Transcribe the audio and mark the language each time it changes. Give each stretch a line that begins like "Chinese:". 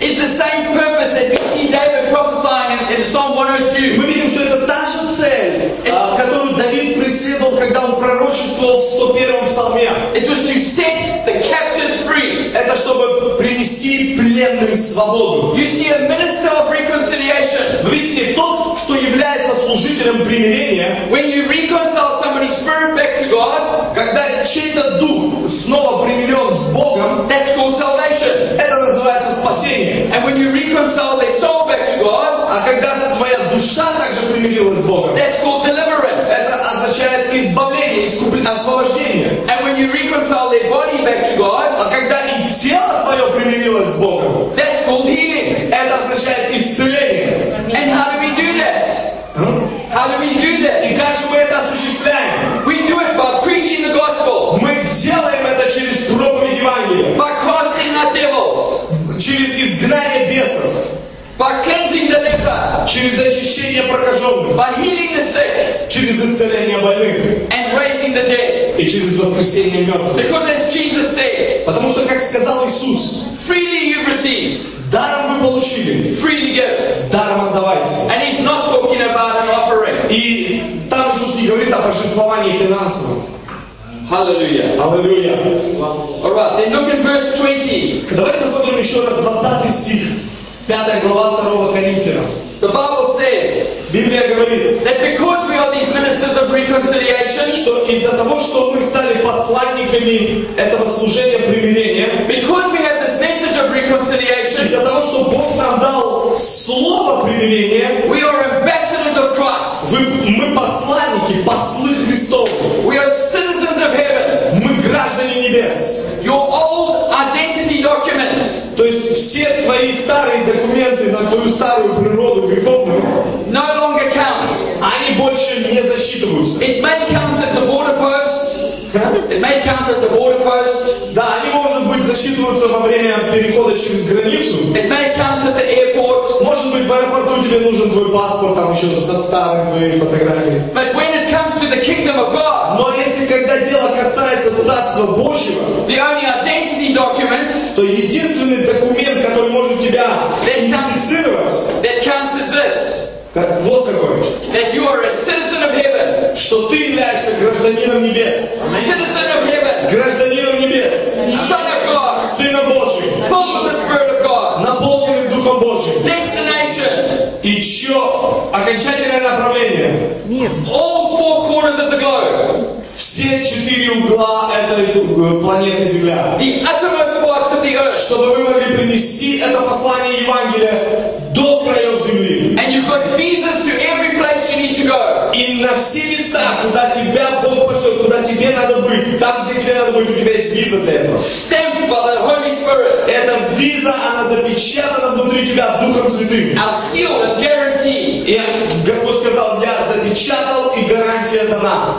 English: Is the same purpose that we see David prophesying in Psalm 102.
Russian: Мы видим, что это та же цель, которую 101 псалме.
English: It was to set the captives free.
Russian: Это чтобы принести пленных свободу.
English: You see a minister of reconciliation.
Russian: Видите, тот, кто является служителем примирения.
English: When you reconcile somebody's spirit back to God.
Russian: Когда чей-то дух снова примирен с Богом.
English: That's called salvation.
Russian: Это называется спасение.
English: And when you reconcile their soul back to God.
Russian: А когда твоя душа также примирилась с Богом.
English: That's called deliverance.
Russian: Это означает избавление, освобождение.
English: And when you reconcile their body back to God.
Russian: А когда и тело твое примирилось с Богом.
English: That's called healing.
Russian: Это означает исцеление.
English: And how do we do that? How do we do that?
Russian: И как же мы это осуществляем?
English: We do it by preaching the gospel.
Russian: Мы делаем это через проповедь Евангелия.
English: By casting out devils.
Russian: Через изгнание бесов.
English: By cleansing the leper.
Russian: Через очищение прокаженных.
English: By healing the sick.
Russian: Через исцеление больных.
English: And raising the dead.
Russian: И через воскресение мертвых.
English: Because as Jesus said.
Russian: Потому что, как сказал Иисус.
English: Freely you've received.
Russian: Даром вы получили.
English: Freely give.
Russian: Даром отдавайте.
English: And he's not talking about an offering.
Russian: И там Иисус не говорит о пожертвовании финансовом.
English: Hallelujah. Hallelujah. All right, then look at verse 20.
Russian: Давай посмотрим еще раз 20 стих. 5 глава 2 Коринфянам.
English: The Bible says.
Russian: Библия говорит.
English: That because we are these ministers of reconciliation.
Russian: Что из-за того, что мы стали посланниками этого служения примирения.
English: Because we have this message of reconciliation.
Russian: Из-за того, что Бог нам дал слово примирения.
English: We are ambassadors of Christ.
Russian: Мы посланники, послы Христовы.
English: We are citizens of heaven.
Russian: Мы граждане небес.
English: Your old identity document.
Russian: То есть все твои старые документы на твою старую природу греховную.
English: No longer counts.
Russian: Они больше не засчитываются.
English: It may count at the border post. Huh? It may count at the border post.
Russian: Да, они может быть засчитываются во время перехода через границу.
English: It may count at the airport.
Russian: Может быть в аэропорту тебе нужен твой паспорт там еще со старой твоей фотографией.
English: But when it comes to the kingdom of God.
Russian: Но если когда дело касается Царства Божьего.
English: The only identity document.
Russian: То единственный документ, который может тебя идентифицировать.
English: That counts is this.
Russian: Как, вот какой.
English: That you are a citizen of heaven.
Russian: Что ты являешься гражданином небес.
English: Citizen of heaven.
Russian: Гражданином небес.
English: Son of God.
Russian: Сына Божьим.
English: Full of the Spirit of God.
Russian: Наполненный Духом Божьим.
English: Destination.
Russian: И чье окончательное направление. Мир.
English: All four corners of the globe.
Russian: Все четыре угла этой планеты Земля.
English: The uttermost parts of the earth.
Russian: Чтобы вы могли принести это послание Евангелия до краев Земли.
English: And you've got visas to every place you need to go.
Russian: И на все места, куда тебя Бог пошлет, куда тебе надо быть, там, где тебе надо быть, у тебя есть виза для этого.
English: Stamp by the Holy Spirit.
Russian: Эта виза, она запечатана внутри тебя Духом Святым.
English: A seal, a guarantee.
Russian: И Господь сказал, я запечатал и гарантия дана.